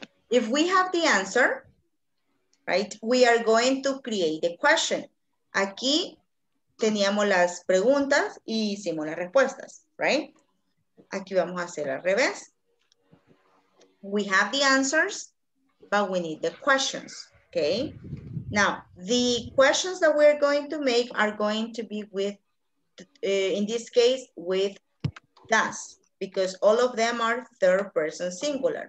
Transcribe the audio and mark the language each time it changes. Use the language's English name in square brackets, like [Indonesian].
[English] If we have the answer, right, we are going to create the question. [Spanish] Aquí teníamos las preguntas y hicimos las respuestas, right? Aquí vamos a hacer al revés. [English] We have the answers, but we need the questions, okay? Now, the questions that we're going to make are going to be with, in this case, with does, because all of them are third person singular.